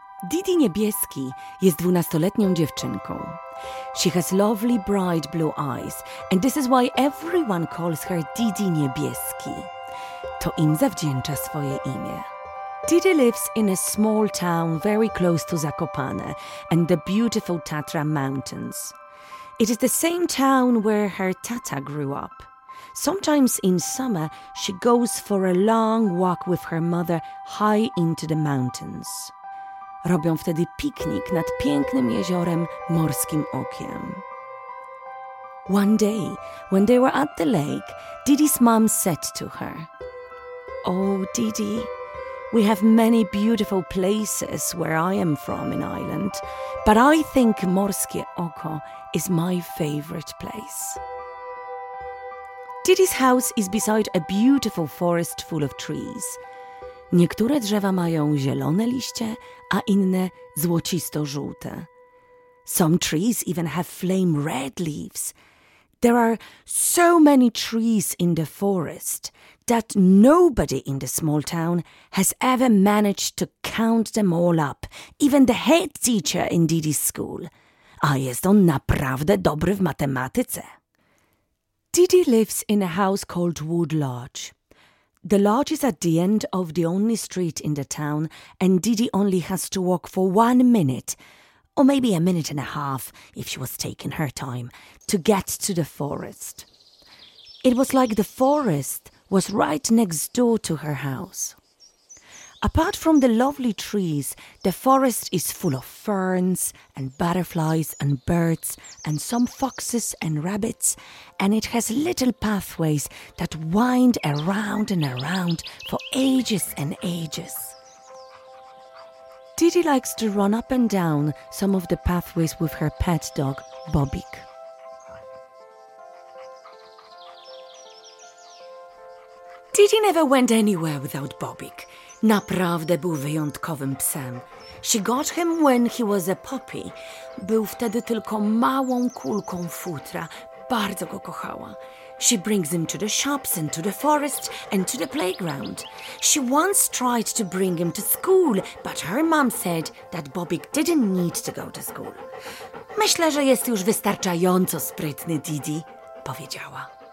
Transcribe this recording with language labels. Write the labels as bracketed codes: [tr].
[pl] Didi Niebieski jest 12-letnią dziewczynką. [en] She has lovely bright blue eyes and this is why everyone calls her Didi Niebieski. [pl] To im zawdzięcza swoje imię. [en] Didi lives in a small town very close to Zakopane and the beautiful Tatra Mountains. It is the same town where her tata grew up. Sometimes in summer, she goes for a long walk with her mother high into the mountains. [pl] Robią wtedy piknik nad pięknym jeziorem Morskim Okiem. [en] One day, when they were at the lake, Didi's mom said to her, "Oh, Didi, we have many beautiful places where I am from in Ireland, but I think Morskie Oko is my favorite place." Didi's house is beside a beautiful forest full of trees. [pl] Niektóre drzewa mają zielone liście, a inne złocisto-żółte. [en] Some trees even have flame red leaves. There are so many trees in the forest that nobody in the small town has ever managed to count them all up, even the head teacher in Didi's school. [pl] A jest on naprawdę dobry w matematyce. [en] Didi lives in a house called Wood Lodge. The lodge is at the end of the only street in the town and Didi only has to walk for 1 minute, or maybe a minute and a half if she was taking her time, to get to the forest. It was like the forest was right next door to her house. Apart from the lovely trees, the forest is full of ferns and butterflies and birds and some foxes and rabbits, and it has little pathways that wind around and around for ages and ages. Didi likes to run up and down some of the pathways with her pet dog, Bobik. Didi never went anywhere without Bobik. [pl] Naprawdę był wyjątkowym psem. [en] She got him when he was a puppy. [pl] Był wtedy tylko małą kulką futra. Bardzo go kochała. [en] She brings him to the shops and to the forest and to the playground. She once tried to bring him to school, but her mom said that Bobik didn't need to go to school. [pl] Myślę, że jest już wystarczająco sprytny, Didi, powiedziała.